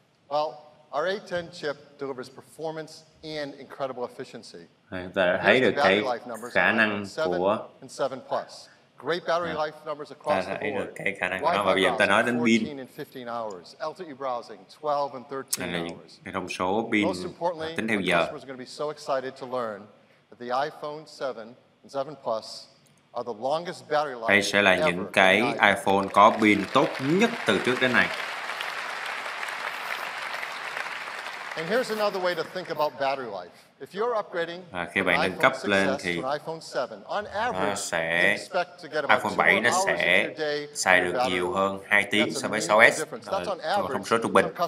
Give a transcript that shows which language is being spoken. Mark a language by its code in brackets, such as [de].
[en] Well, our A10 chip delivers performance and incredible efficiency. [vi] Ta thấy được cái khả năng của [en] great battery life numbers across the board. [vi] Được cái khả năng của nó, và bây giờ ta nói đến pin. [en] LTE browsing 12 and 13 hours. [vi] Cái thông số pin tính theo giờ. [en] We're going to be so excited to learn that the iPhone 7 and 7 Plus are the longest battery life. [vi] Đây sẽ là những cái iPhone có pin tốt nhất từ trước đến nay. [en] And here's another way to think about battery life. If you're upgrading, [vi] khi bạn nâng cấp lên thì iPhone 7 nó sẽ xài được nhiều hơn 2 tiếng so với 6S, thông số trung bình.